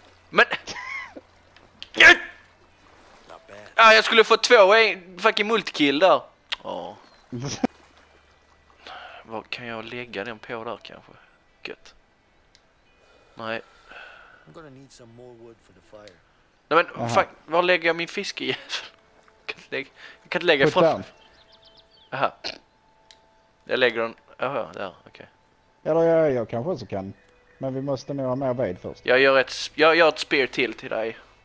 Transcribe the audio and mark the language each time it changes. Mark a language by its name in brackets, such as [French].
[Swedish] Men! Ah, jag skulle få två en fucking multikill där! Oh. Var kan jag lägga den på där kanske? Gött. Nej. [English] I'm gonna need some more wood for the fire. [Swedish] Nej men fan, var lägger jag min fisk i? Jag kan inte lägga ifrån. Aha. Jag lägger den. Jaha, där, okej. Okay. Eller jag kanske så kan. Men vi måste nu ha mer ved först. Jag gör ett spear till dig.